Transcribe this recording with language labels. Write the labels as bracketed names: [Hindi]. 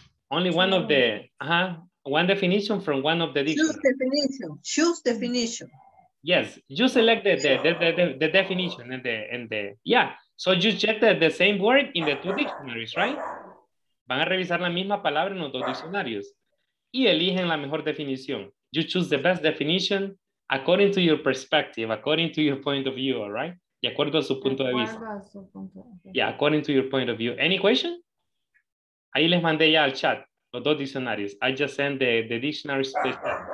[English] Only one of the, one definition from one of the dictionaries. Choose definition, choose definition. Yes, you select the definition and yeah. So you check the same word in the two dictionaries, right? [Spanish] Van a revisar la misma palabra en los dos diccionarios y eligen la mejor definición. [English] You choose the best definition according to your perspective, according to your point of view, all right? [Spanish] De acuerdo a su punto de vista. [English] Yeah, according to your point of view. Any question? [Spanish] Ahí les mandé ya al chat los dos diccionarios. [English] I just sent the dictionaries to the chat.